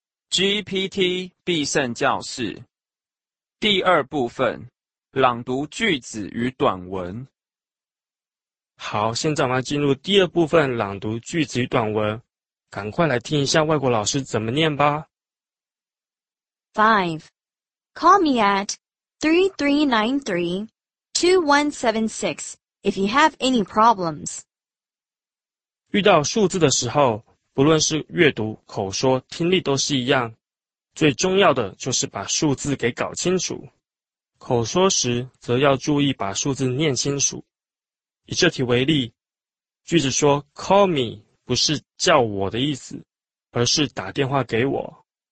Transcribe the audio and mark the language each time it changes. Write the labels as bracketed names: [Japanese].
[Chinese] GPT 必胜教室第二部分，朗读句子与短文。好，现在我们要进入第二部分，朗读句子与短文。赶快来听一下外国老师怎么念吧。 5. [English] Call me at 3393-2176 if you have any problems. [Chinese] 遇到数字的时候，不论是阅读、口说、听力都是一样，最重要的就是把数字给搞清楚。口说时则要注意把数字念清楚。以这题为例，句子说 call me 不是叫我的意思，而是打电话给我。